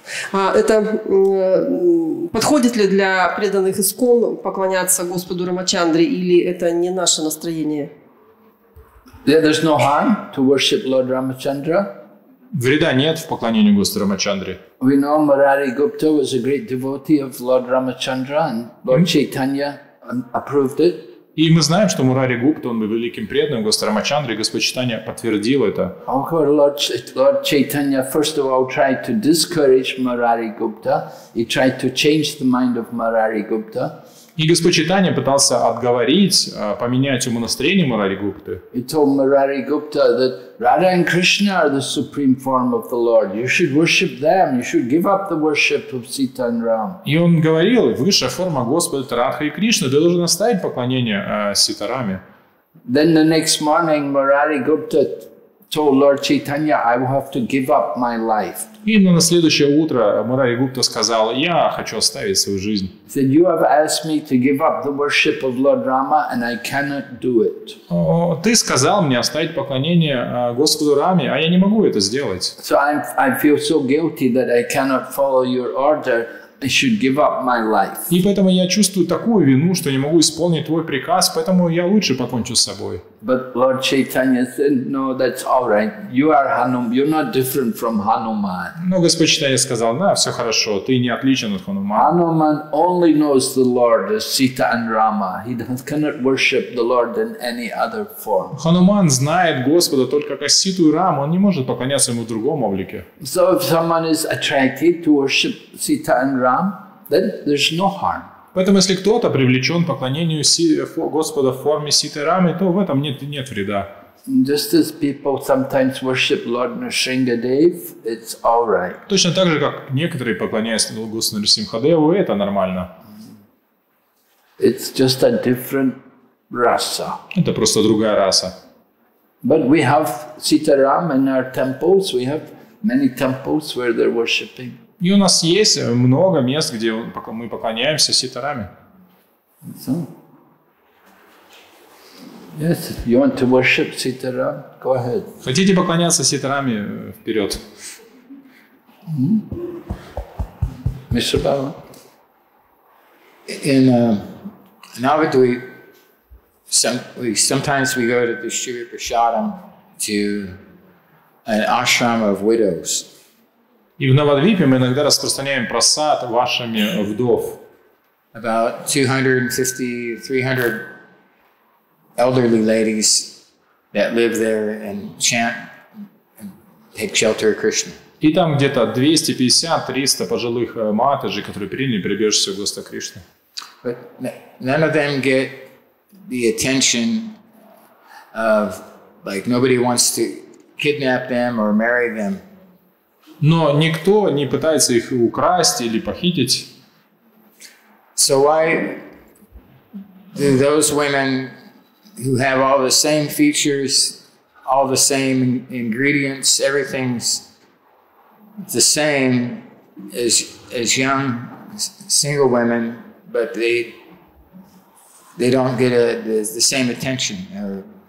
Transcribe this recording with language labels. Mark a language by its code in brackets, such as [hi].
[ru] Это подходит ли для преданных ИСККОН поклоняться Господу Рамачандре, или это не наше настроение? [en] Yeah, there's no harm to worship Lord Ramachandra. [ru] Вреда нет в поклонении Господу Рамачандре. [en] We know Murari Gupta was a great devotee of Lord Ramachandra, and Lord Chaitanya approved it. [ru] И мы знаем, что Мурари Гупта, он был великим преданным Господа Рамачандры, и Господь Чайтанья подтвердил это. [en] Lord Chaitanya first of all tried to discourage Murari Gupta. He tried to change the mind of Murari Gupta. [ru] И Господь Чайтанья пытался отговорить, поменять ему настроение Мурари Гупты. [en] He told Murari Gupta that Radha and Krishna are the supreme form of the Lord. You should worship them. You should give up the worship of Sita and Ram. [ru] И он говорил, высшая форма Господа – Радха и Кришна. Ты должен оставить поклонение Сита Раме. [en] Then the next morning, Murari Gupta told Lord Chaitanya, I will have to give up my life. [ru] И на следующее утро Мурари Гупта сказал, я хочу оставить свою жизнь. [en] He said, you have asked me to give up the worship of Lord Rama and I cannot do it. [ru] Ты сказал мне оставить поклонение Господу Раме, а я не могу это сделать. [en] So I feel so guilty that I cannot follow your order. I should give up my life. [ru] И поэтому я чувствую такую вину, что не могу исполнить твой приказ, поэтому я лучше покончу с собой. [en] But Lord Chaitanya said, no, that's all right. You are Hanuman. You're not different from Hanuman. [ru] Но Господь Чайтанья сказал, да, все хорошо, ты не отличен от Хануман. [en] Hanuman only knows the Lord as Sita and Rama. He cannot worship the Lord in any other form. [ru] Хануман знает Господа только как Ситу и Раму. Он не может поклоняться ему в другом облике. [en] So if someone is attracted to worship Sita and Ram, then there's no harm. [ru] Поэтому, если кто-то привлечен к поклонению Господа в форме Ситы Рамы, то в этом нет вреда. [en] Just as people sometimes worship Lord Nrsimhadev, it's all right. [ru] Точно так же, как некоторые поклоняются Господу Нрсимхадеву, это нормально. [en] It's just a different rasa. [ru] Это просто другая раса. [en] But we have Sita Ram in our temples. We have many temples where they're worshiping. [ru] И у нас есть много мест, где мы поклоняемся ситарами. [en] So, yes, you want to worship sitaram? Go ahead. [ru] Хотите поклоняться ситарами? Вперед. [en] Mr. Bala, in sometimes we go to the Shri Prasadam to an ashram of widows. [ru] И в Навадвипе мы иногда распространяем просад вашими вдов. [en] About 250-300 elderly ladies that live there and chant and take shelter of Krishna. [ru] И там где-то 250-300 пожилых матаджи, которые приняли прибежище Господа Кришны. [en] But none of them get the attention of, like, nobody wants to kidnap them or marry them. [ru] Но никто не пытается их украсть или похитить. [en] So why do those women who have all the same features, all the same ingredients, everything's the same as young single women, but they don't get the same attention?